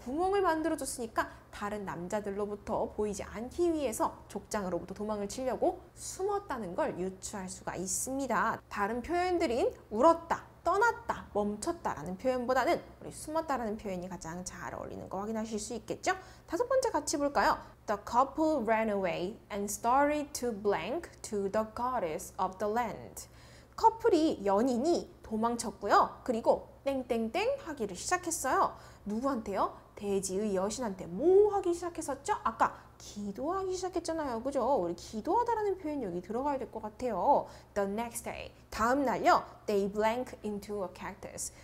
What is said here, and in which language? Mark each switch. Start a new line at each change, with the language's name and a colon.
Korean: 구멍을 만들어줬으니까 다른 남자들로부터 보이지 않기 위해서 족장으로부터 도망을 치려고 숨었다는 걸 유추할 수가 있습니다. 다른 표현들인 울었다, 떠났다, 멈췄다라는 표현보다는 우리 숨었다라는 표현이 가장 잘 어울리는 거 확인하실 수 있겠죠? 다섯 번째 같이 볼까요?
English: The couple ran away and started to blank to the goddess of the land.
Korean: 커플이, 연인이 도망쳤고요. 그리고 땡땡땡 하기를 시작했어요. 누구한테요? 대지의 여신한테 뭐 하기 시작했었죠? 아까 기도하기 시작했잖아요. 그죠? 우리 기도하다라는 표현 여기 들어가야 될 것 같아요.
English: The next day.
Korean: 다음날요.
English: They blank into a cactus.